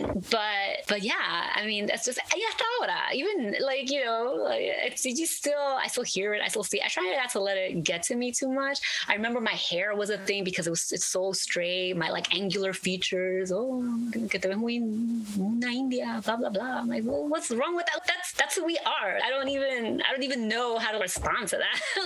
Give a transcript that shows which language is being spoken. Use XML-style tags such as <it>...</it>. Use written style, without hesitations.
<en>But yeah, I mean, that's just,</en> <es>y hasta ahora,</es> <en>even like, you know, I still hear it. I still see it. I try not to let it get to me too much. I remember my hair was a thing because it's so straight. My like angular features.</en> <es>Oh, que te ves muy una India, blah, blah, blah.</es> <en>I'm like, well, what's wrong with that? That's who we are. I don't even know how to respond to that.</en>